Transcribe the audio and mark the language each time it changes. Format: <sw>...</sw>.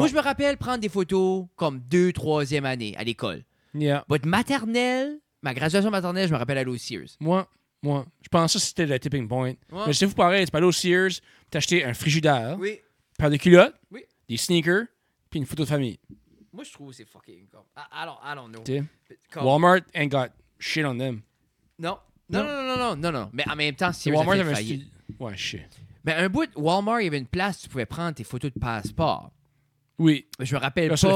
<fr>Moi, je me rappelle prendre des photos comme 2e, 3e année à l'école.</fr> <en>Yeah.</en> <fr>Votre maternelle, ma graduation maternelle, je me rappelle aller au Sears. Moi. Je pense que c'était le tipping point. Ouais. Mais si vous parlez, tu peux aller au Sears, t'acheter un frigidaire. Oui. Paire de culottes. Oui. Des sneakers. Puis une photo de famille. Moi, je trouve que c'est fucking.</fr> <en>Comme... I don't know.</en> <fr>Comme...</fr> <en>Walmart ain't got shit on them.</en> <fr>Non. Mais en même temps, Sears Walmart a fait faillite. Ouais, je sais. Mais un bout, Walmart, il y avait une place où tu pouvais prendre tes photos de passeport. Oui. Mais je me rappelle là, pas.</fr>